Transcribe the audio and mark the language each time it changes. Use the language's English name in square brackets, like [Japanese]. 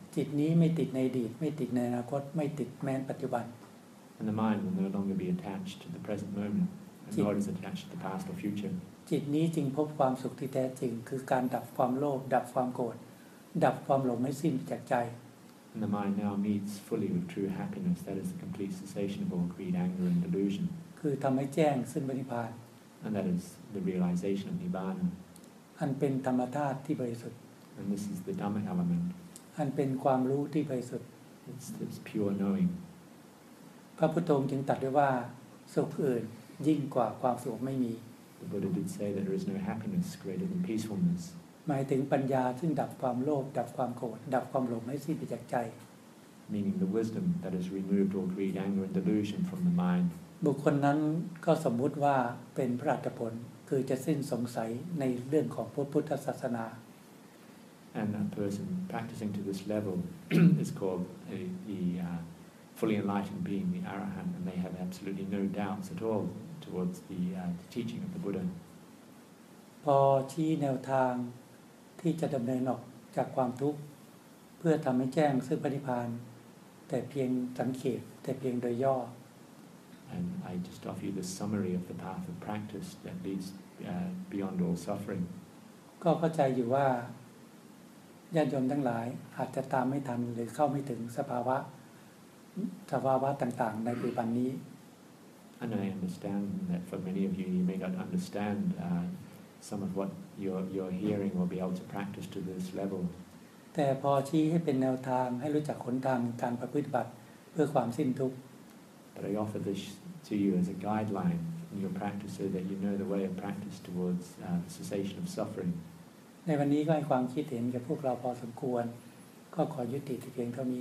[Thai] จิตนี้ไม่ติดในอดีตไม่ติดในอนาคตไม่ติดแม้นปัจจุบัน [English] And the mind will no longer be attached to the present moment nor is it attached to the past or future [Thai] จิตนี้จึงพบความสุขที่แท้จริงคือการดับความโลภดับความโกรธดับความหลงให้สิ้นจากใจ [English] And the mind now meets fully with true happiness that is the complete cessation of all greed anger and delusion [Thai] คือทำให้แจ้งซึ่งนิพพาน [English] And that is the realization of nibbana [Thai] อันเป็นธรรมธาตุที่บริสุทธิ์ [English] And this is the dhamma element. [Thai] อันเป็นความรู้ที่บริสุทธิ์ [English] it's pure knowing [Thai] พระพุทธองค์จึงตรัสไว้ว่าสุขอื่นยิ่งกว่าความสุขไม่มี [English] the Buddha did say that there is no happiness greater than peacefulness [Thai] หมายถึงปัญญาซึ่งดับความโลภดับความโกรธดับความหลงให้สิ้นไปจากใจ [English] meaning the wisdom that has removed all greed anger and delusion from the mind [Thai] บุคคลนั้นก็สมมุติว่าเป็นพระอรหันตผลคือจะสิ้นสงสัยในเรื่องของพระพุทธศาสนา [English] And that person practicing to this level is called a, the, fully enlightened being, the Arahant, and they have absolutely no doubts at all towards the teaching of the Buddha. [Thai] พอที่แนวทางที่จะดำเนินออกจากความทุกข์เพื่อทำให้แจ้งซึ่งพระนิพพานแต่เพียงสังเขปแต่เพียงโดยย่อ [English] And I just offer you the summary of the path of practice that leads beyond all suffering. [Thai] ก็เข้าใจอยู่ว่าญาติโยมทั้งหลายอาจจะตามไม่ทันหรือเข้าไม่ถึงสภาวะต่างๆในปัจจุบันนี้ [English] And I understand that for many of you, you may not understand some of what you're hearing or be able to practice to this level. [Thai] แต่พอชี้ให้เป็นแนวทางให้รู้จักหนทางการประพฤติบัติเพื่อความสิ้นทุกข์ [English] But I offer this to you as a guideline in your practice so that you know the way of practice towards cessation of suffering. [Thai] ในวันนี้ก็ให้ความคิดเห็นกับพวกเราพอสมควรก็ขอยุติเพียงเท่านี